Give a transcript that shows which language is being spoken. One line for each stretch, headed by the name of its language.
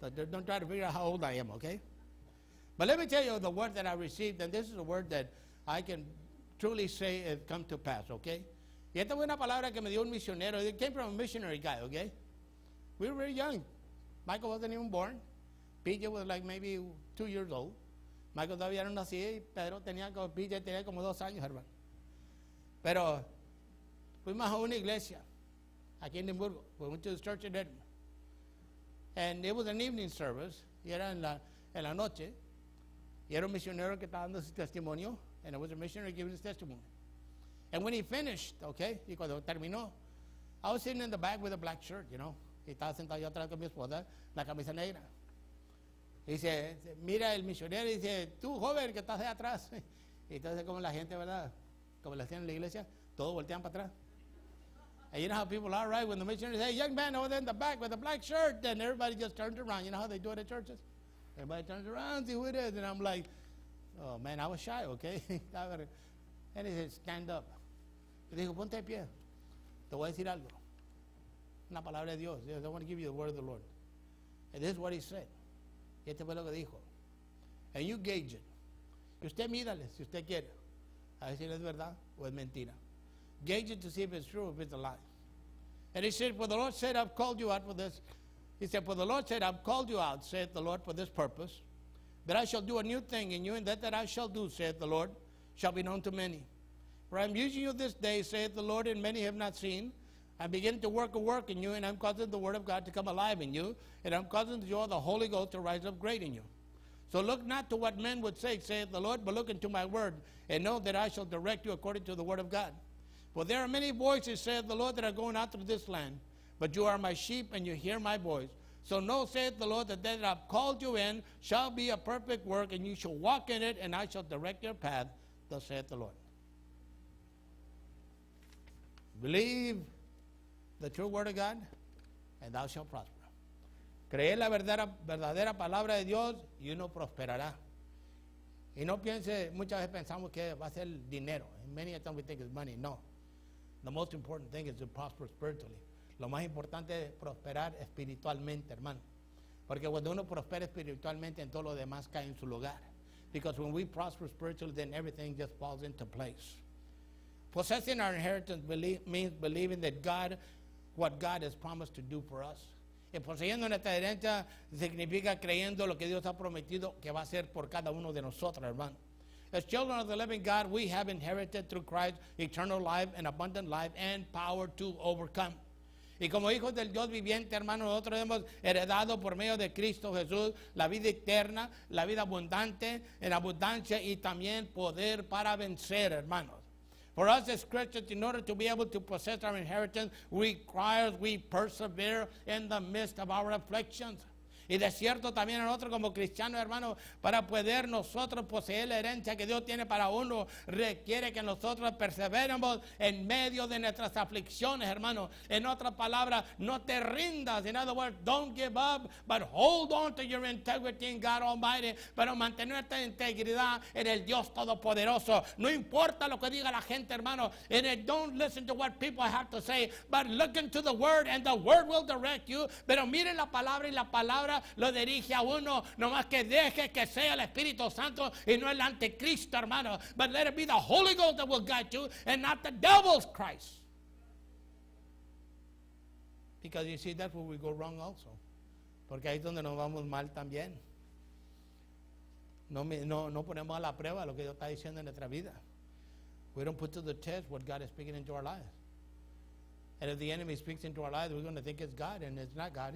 English: Don't try to figure out how old I am, okay? But let me tell you the word that I received, and this is a word that I can truly say it come to pass, okay?
Spanish: Y esta fue una palabra que me dio un misionero.
English: It came from a missionary guy, okay? We were very young. Michael wasn't even born. PJ was like maybe 2 years old.
Spanish: Michael todavía no nacía y Pedro tenía como, PJ tenía como 2 años, hermano. Pero fuimos a una iglesia aquí en Edimburgo.
English: We went to the church in Edinburgh. And it was an evening service.
Spanish: Y era en la noche. Y era un misionero que estaba dando su testimonio.
English: And it was a missionary giving his testimony. And when he finished, okay,
Spanish: y cuando terminó,
English: I was sitting in the back with a black shirt, you know.
Spanish: Y estaba sentado yo atrás con mi esposa, la camisa negra. Y dice, mira el misionero, y dice, tú joven que estás de atrás. Y entonces como la gente, ¿verdad? Como la hacían en la iglesia, todos voltean para atrás.
English: And you know how people are, right? When the missionary says, young man over there in the back with a black shirt, then everybody just turns around. You know how they do it at churches? Everybody turns around, see who it is. And I'm like, oh man, I was shy, okay? And he said, stand up.
Spanish: Y dijo, ponte de pie. Te voy a decir algo. Una palabra de Dios.
English: Dios, I want to give you the word of the Lord. And this is what he said.
Spanish: Y este fue lo que dijo.
English: And you gauge it.
Spanish: Y usted mídale si usted quiere. A ver si es verdad o es mentira.
English: Gauge it to see if it's true, if it's a lie. And he said, for the Lord said, I've called you out for this. He said, for the Lord said, I've called you out, saith the Lord, for this purpose, that I shall do a new thing in you, and that I shall do, saith the Lord, shall be known to many. For I am using you this day, saith the Lord, and many have not seen. I'm beginning to work a work in you, and I'm causing the word of God to come alive in you, and I'm causing the joy of the Holy Ghost to rise up great in you. So look not to what men would say, saith the Lord, but look into my word, and know that I shall direct you according to the word of God. For there are many voices, saith the Lord, that are going out through this land. But you are my sheep, and you hear my voice. So know, saith the Lord, that that I've called you in shall be a perfect work, and you shall walk in it, and I shall direct your path, thus saith the Lord. Believe the true word of God, and thou shalt prosper.
Spanish: Cree la verdadera palabra de Dios, y uno prosperará. Y no piense, muchas veces pensamos que va a ser dinero.
English: Many a time we think it's money. No. The most important thing is to prosper spiritually.
Spanish: Lo más importante es prosperar espiritualmente, hermano. Porque cuando uno prospera espiritualmente, en todo lo demás cae en su lugar.
English: Because when we prosper spiritually, then everything just falls into place. Possessing our inheritance means believing that God, what God has promised to do for us.
Spanish: Y poseyendo nuestra herencia significa creyendo lo que Dios ha prometido que va a hacer por cada uno de nosotros, hermano.
English: As children of the living God, we have inherited through Christ eternal life and abundant life and power to overcome.
Spanish: Y como hijos del Dios viviente, hermano, nosotros hemos heredado por medio de Cristo Jesús la vida eterna, la vida abundante, en abundancia y también poder para vencer, hermanos.
English: For us as Christians, in order to be able to possess our inheritance, we persevere in the midst of our afflictions.
Spanish: Y de cierto también en otro como cristiano, hermano, para poder nosotros poseer la herencia que Dios tiene para uno, requiere que nosotros perseveremos en medio de nuestras aflicciones, hermano. En otra palabra, no te rindas.
English: In other words, don't give up, but hold on to your integrity in God Almighty.
Spanish: Pero mantener esta integridad en el Dios Todopoderoso. No importa lo que diga la gente, hermano.
English: And don't listen to what people have to say, but look into the word and the word will direct you.
Spanish: Pero miren la palabra y la palabra lo dirige a uno, nomás que deje que sea el Espíritu Santo y no el Anticristo, hermano.
English: But let it be the Holy Ghost that will guide you and not the devil's Christ. Because you see, that's where we go wrong also.
Spanish: Porque ahí es donde nos vamos mal también. No ponemos a la prueba lo que Dios está diciendo en nuestra vida.
English: We don't put to the test what God is speaking into our lives. And if the enemy speaks into our lives, we're going to think it's God, and it's not God.